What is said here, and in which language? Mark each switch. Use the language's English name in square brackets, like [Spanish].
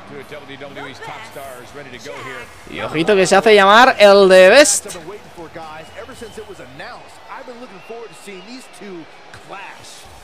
[English] WWE's top star is ready to go here. [Spanish] Y ojito que se hace llamar el The Best. [English] Ever since it was announced, I've been looking forward to seeing these two clash.